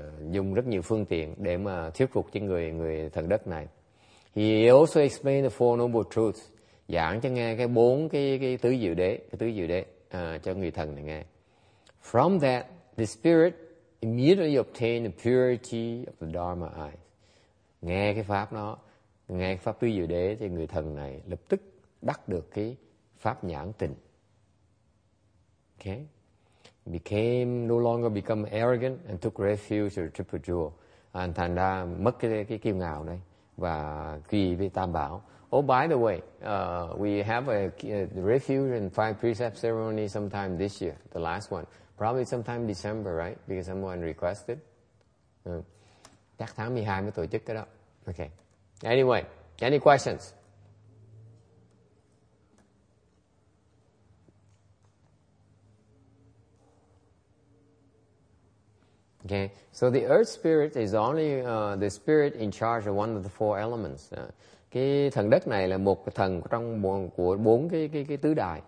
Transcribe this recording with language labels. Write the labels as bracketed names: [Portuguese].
[Vietnamese] Dùng rất nhiều phương tiện để mà thuyết phục cho người thần đất này. [English] He also explained the four noble truths. [Vietnamese] Giảng cho nghe cái bốn cái tứ diệu đế cho người thần này nghe. [English] From that, the spirit immediately obtained the purity of the Dharma eye. [Vietnamese] Nghe cái pháp tứ diệu đế thì người thần này lập tức đắc được cái pháp nhãn tình. [English] Okay? Became, no longer become arrogant and took refuge in the Triple Jewel. [Vietnamese] And thành ra mất cái kiêu ngạo này và quy về Tam Bảo. [English] Oh, by the way, we have a refuge and five precept ceremony sometime this year, the last one. Probably sometime December, right? Because someone requested. [Vietnamese] Chắc tháng 12 mới tổ chức cái đó. [English] Okay. Anyway, any questions? Okay, so the earth spirit is only the spirit in charge of one of the four elements. [Vietnamese] Cái thần đất này là một thần trong của bốn cái tứ đại.